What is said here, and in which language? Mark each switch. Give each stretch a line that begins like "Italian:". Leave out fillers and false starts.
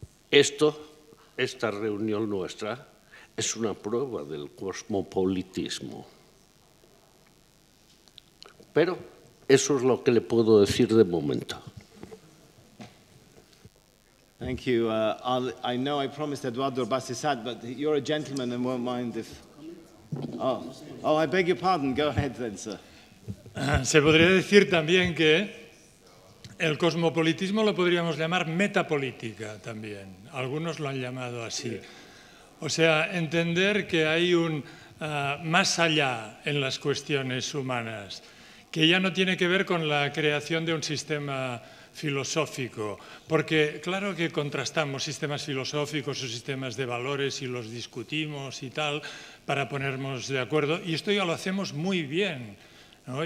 Spanish: Esto, esta reunión nuestra, es una prueba del cosmopolitismo. Pero eso es lo que le puedo decir de momento.
English: Thank you. I know I promised Eduardo Bassisat, but you're a gentleman and won't mind if... Oh, I beg your pardon. Go ahead then, sir.
Spanish: Se podría decir también que el cosmopolitismo lo podríamos llamar metapolítica también. Algunos lo han llamado así. O sea, entender que hay un más allá en las cuestiones humanas, que ya no tiene que ver con la creación de un sistema filosófico, porque claro que contrastamos sistemas filosóficos o sistemas de valores y los discutimos y tal para ponernos de acuerdo, y esto ya lo hacemos muy bien, ¿no?